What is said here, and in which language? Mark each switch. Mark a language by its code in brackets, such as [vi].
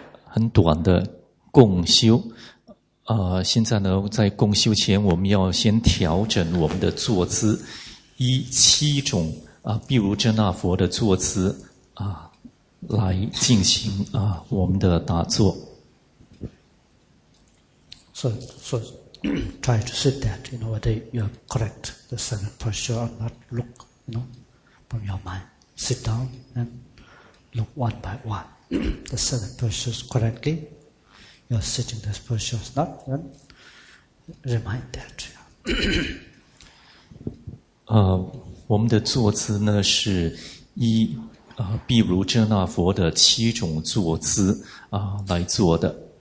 [zh] 很短的共修，现在呢，在共修前，我们要先调整我们的坐姿，依七种毗卢遮那佛的坐姿来进行我们的打坐。 [en] So try to sit that, you know, whether you are correct the seven posture or not. Look, you know, from your mind, sit down and look one by one. The seven postures correctly, you are sitting those postures not, then remind that. [zh] 我们的坐姿呢是依毗卢遮那佛的七种坐姿来做的。